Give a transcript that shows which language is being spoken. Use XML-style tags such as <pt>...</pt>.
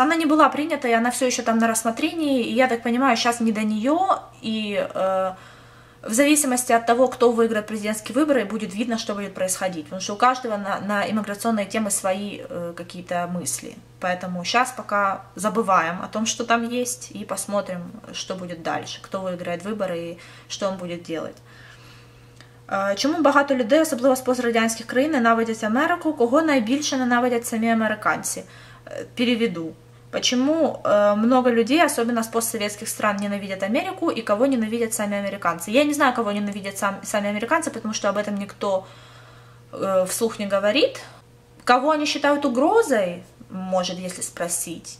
<ru>Она не была принята, и она все еще там на рассмотрении, и я так понимаю, сейчас не до нее, и в зависимости от того, кто выиграет президентские выборы, будет видно, что будет происходить. Потому что у каждого на иммиграционные темы свои какие-то мысли. Поэтому сейчас пока забываем о том, что там есть, и посмотрим, что будет дальше, кто выиграет выборы и что он будет делать.</ru> <uk>Чому багато людей, особливо з пострадянських країн, ненавидять Америку? Кого найбільше ненавидять самі американці?</uk> <ru>Переведу. Почему много людей, особенно с постсоветских стран, ненавидят Америку и кого ненавидят сами американцы? Я не знаю, кого ненавидят сами американцы, потому что об этом никто вслух не говорит. Кого они считают угрозой, может, если спросить.</ru>